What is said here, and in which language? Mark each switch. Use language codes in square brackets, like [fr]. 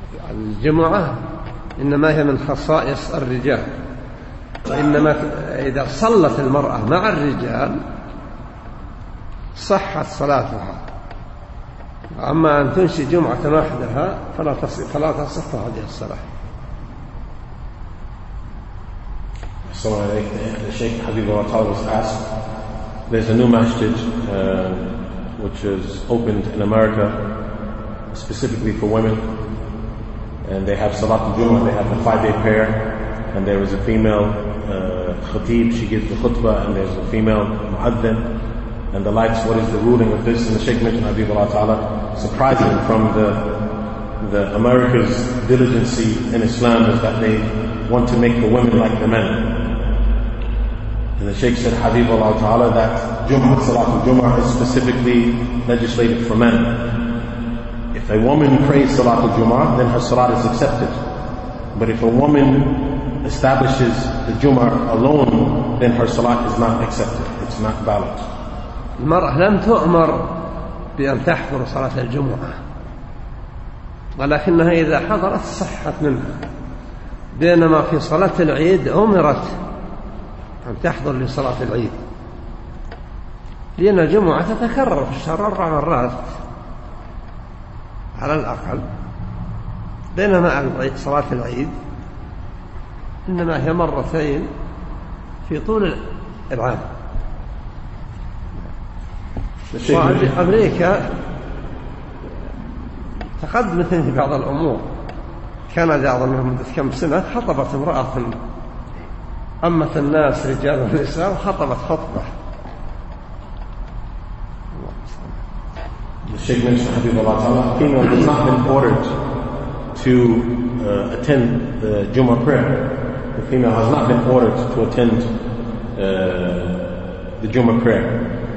[ar] الجمعة إنما هي من خصائص الرجال، وإنما إذا صلت المرأة مع الرجال صحت صلاتها، أما أن تنشي جمعة وحدها فلا تصح هذه الصلاة. [en] The Sheikh Habib Al-Atal was asked, there's a new masjid which is opened in America specifically for women, and they have Salat al-Jumu'ah, they have a 5-day prayer, and there is a female khatib, she gives the khutbah, and there's a female mu'addin and the likes. What is the ruling of this? And the Sheikh mentioned Habib Al-Atal, surprising from the America's diligence in Islam, is that they want to make the women like the men. And the Sheikh said, Habib Allah Ta'ala, that Jum'ah, Salat al-Jum'ah is specifically legislated for men. If a woman prays Salat al-Jum'ah, then her Salat is accepted. But if a woman establishes the Jum'ah alone, then her Salat is not accepted. It's not valid. [ar] المرأة لم تؤمر بأن تحضر صلاة الجمعة، ولكنها إذا حضرت صحت منها. بينما في صلاة العيد أمرت أن تحضر لصلاة العيد، لأن الجمعة تتكرر في الشهر 4 مرات على الأقل، بينما صلاة العيد إنما هي مرتين في طول العام. في أمريكا تقدمت بعض الأمور، كندا أظن منذ كم سنة خطبت امرأة أمت الناس رجال ونساء وخطبت خطبة. [en] The Sheikh mentioned, Habib Allah Ta'ala, female has not been ordered to attend the Jummah prayer. The female has not been ordered to attend the Jummah prayer.